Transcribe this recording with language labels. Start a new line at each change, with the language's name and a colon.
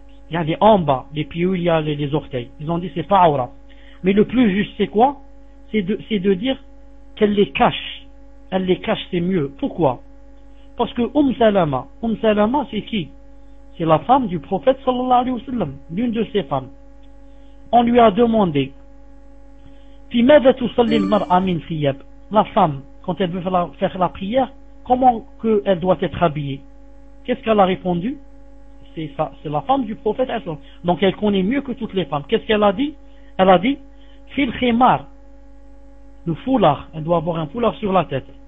French: Il y a des en bas, les pieds où il y a les orteils. Ils ont dit que c'est pas awra. Mais le plus juste, c'est quoi? C'est de dire qu'elle les cache. Elle les cache, c'est mieux. Pourquoi? Parce que Umm Salama, c'est qui? C'est la femme du prophète sallallahu alayhi wa sallam, l'une de ses femmes.
Arabic: On lui a demandé, فِمَذَا تُصَلِّ الْمَرْءَ مِنْ ثِيَابٍ.
French: La femme, quand elle veut faire la prière, comment qu'elle doit être habillée? Qu'est-ce qu'elle a répondu? C'est ça, c'est la femme du prophète sallallahu alayhi wa sallam. Donc elle connaît mieux que toutes les femmes. Qu'est-ce qu'elle a dit? Elle a dit,
Arabic: فِي الْخِمَارِ.
French: Le foulard, elle doit avoir un foulard sur la tête.